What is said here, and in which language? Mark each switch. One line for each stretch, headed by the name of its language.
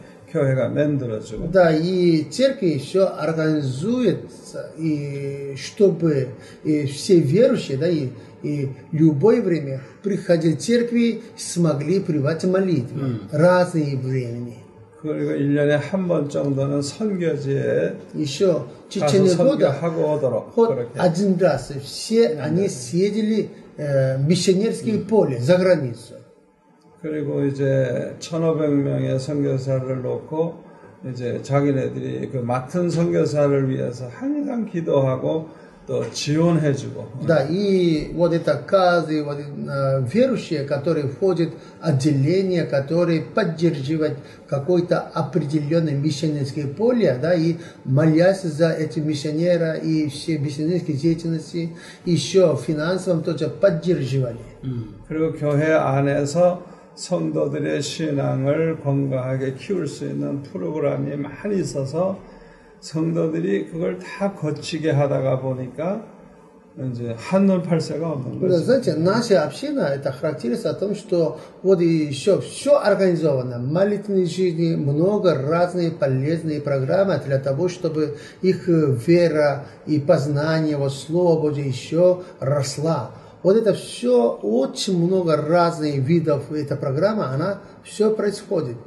Russian: Да, и церковь еще организуется, и чтобы и все верующие, да, и любое время приходили в церкви, смогли прибавить молитвы разные времени.
Korean: 그리고 1년에 한 번 정도는 선교지에
Russian: еще,
Korean: 가서 선교하고 오도록
Russian: один раз все они съездили миссионерские поле за границу.
Korean: 그리고 이제 1500명의 선교사를 놓고 이제 자기네들이 그 맡은 선교사를 위해서 항상 기도하고 또 지원해 주고.
Russian: Да, и вот это каждый вот верующий, который входит отделение, который поддерживает какое-то определенное миссионерское поле, да, и молясь за эти миссионера и все миссионерские деятельности, еще финансовым тоже поддерживали.
Korean: 그리고 교회 안에서 성도들의 신앙을 건강하게 키울 수 있는 프로그램이 많이 있어서 성도들이 그걸 다 거치게 하다가 보니까 이제 한눈 팔 새가 없는 거죠. 그래서
Russian: 나시 община это характеризуется о том, что вот ещё всё организовано. Молитвенной жизни много разные полезные программы для того, чтобы их вера и познание вот слова Божьего ещё росла. Вот это все, очень много разных видов, эта программа, она все происходит.